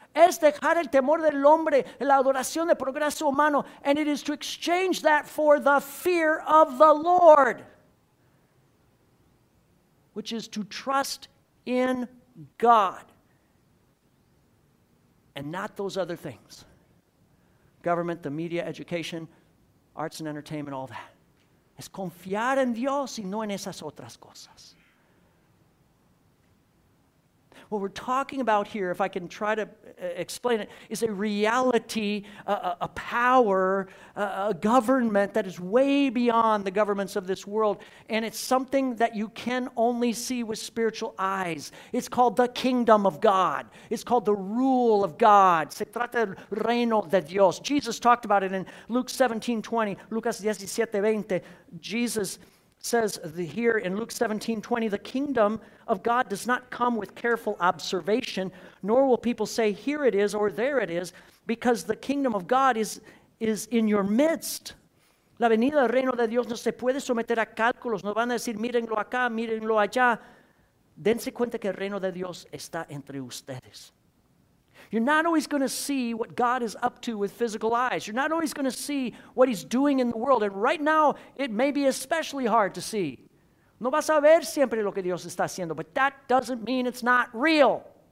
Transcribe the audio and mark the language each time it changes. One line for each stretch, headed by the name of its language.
Spanish: Es dejar el temor del hombre, la adoración del progreso humano,
English: and it is to exchange that for the fear of the Lord, which is to trust in God and not those other things. Government, the media, education, arts and entertainment, all that.
Spanish: Es confiar en Dios y no en esas otras cosas.
English: What we're talking about here, if I can try to explain it, is a reality, a power, a government that is way beyond the governments of this world. And it's something that you can only see with spiritual eyes. It's called the kingdom of God. It's called the rule of God.
Spanish: Se trata del reino de Dios.
English: Jesus talked about it in Lucas 17:20. Jesus says here in Luke 17:20, the kingdom of God does not come with careful observation, nor will people say, here it is or there it is, because the kingdom of God is in your midst.
Spanish: La venida del reino de Dios no se puede someter a cálculos. No van a decir, mírenlo acá, mírenlo allá. Dense cuenta que el reino de Dios está entre ustedes.
English: You're not always going to see what God is up to with physical eyes. You're not always going to see what he's doing in the world. And right now, it may be especially hard to see.
Spanish: No vas a ver siempre lo que Dios está haciendo,
English: but that doesn't mean it's not real.